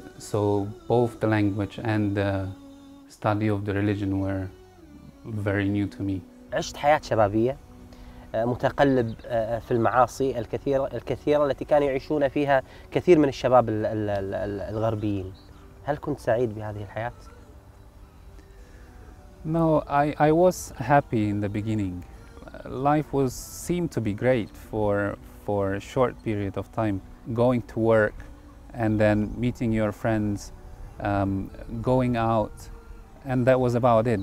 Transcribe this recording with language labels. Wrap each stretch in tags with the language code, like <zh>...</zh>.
<en>So both the language and the study of the religion were very new to me.</en> <ar>عشت حياة شبابية متقلب في المعاصي الكثيرة التي كان يعيشون فيها كثير من الشباب الغربيين. هل كنت سعيد بهذه الحياة؟</ar> <en>No, I was happy in the beginning. Life was seemed to be great for a short period of time. Going to work and then meeting your friends, going out, and that was about it.</en>